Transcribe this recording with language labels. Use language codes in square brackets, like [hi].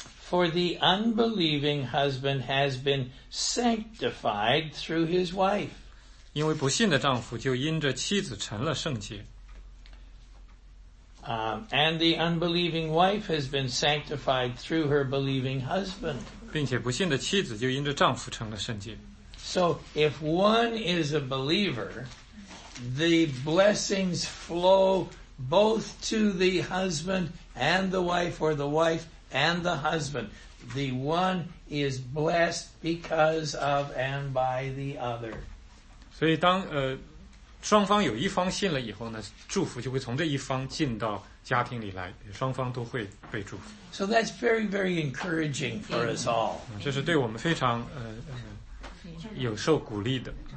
[en] For the unbelieving husband has been sanctified through his wife. [zh] 因为不信的丈夫就因着妻子成了圣洁。 [en] And the unbelieving wife has been sanctified through her believing husband. [zh] 并且不信的妻子就因着丈夫成了圣洁。 [en] So if one is a believer, the blessings flow both to the husband and the wife, or the wife and the husband. The one is blessed because of and by the other. [zh] 所以当双方有一方信了以后呢，祝福就会从这一方进到家庭里来，双方都会被祝福。 [en] So that's very, very encouraging for us all. [zh] 这是对我们非常有受鼓励的。